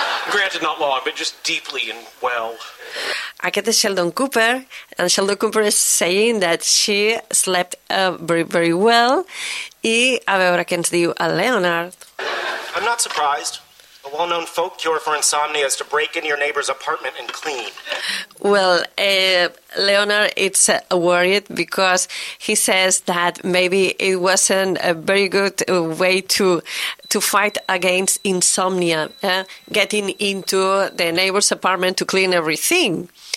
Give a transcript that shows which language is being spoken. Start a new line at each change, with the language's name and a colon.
English: Granted, not long, but just deeply and well.
Catalan: Aquest és Sheldon Cooper.
English: And Sheldon Cooper is saying that she slept very, very well.
Catalan: I a veure què ens diu el Leonard.
English: I'm not surprised. A well-known folk cure for insomnia is to break into your neighbor's apartment and clean. Well, Leonard, it's worried because he says that maybe it wasn't a very good way to fight against insomnia, getting into the neighbor's apartment to clean everything.